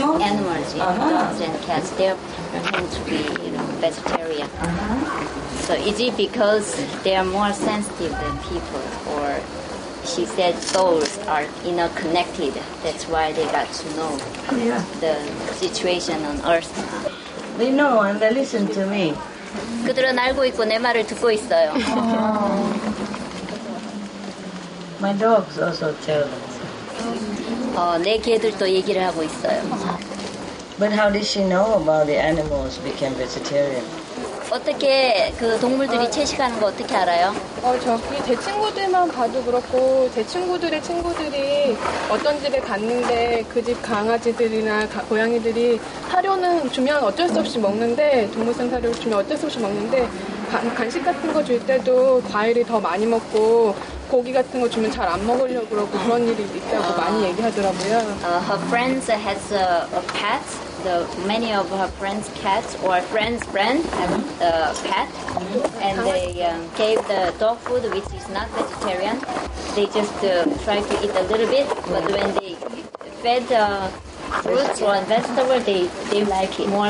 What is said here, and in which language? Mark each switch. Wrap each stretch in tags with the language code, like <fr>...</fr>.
<en>animals, dogs and cats, they tend to be vegetarian. So is it because they are more sensitive than people, or she said souls are interconnected? That's why they got to know the situation on Earth. They know and they listen to me.</en> <ko>그들은 알고 있고 내 말을 듣고 있어요.</ko> <en>My dogs also tell.</en> <ko>내 개들도 얘기를 하고 있어요.</ko> <en>But how did she know about the animals became vegetarian?</en> <ko>어떻게 그 동물들이 채식하는 거 어떻게 알아요? 저기 제 친구들만 봐도 그렇고 제 친구들의 친구들이 어떤 집에 갔는데 그 집 강아지들이나 고양이들이 사료는 주면 어쩔 수 없이 먹는데 동물성 사료를 주면 어쩔 수 없이 먹는데 간식 같은 거 줄 때도 과일을 더 많이 먹고 고기 같은 거 주면 잘 안 먹으려고 그러고 그런 일이 있다고 많이 얘기하더라고요.</ko> <en>Her friends has a pet. The many of her friends' cats or friends' friends have a pet, and they gave the dog food, which is not vegetarian. They just try to eat a little bit, but when they fed fruits or vegetables, they like it more.</en>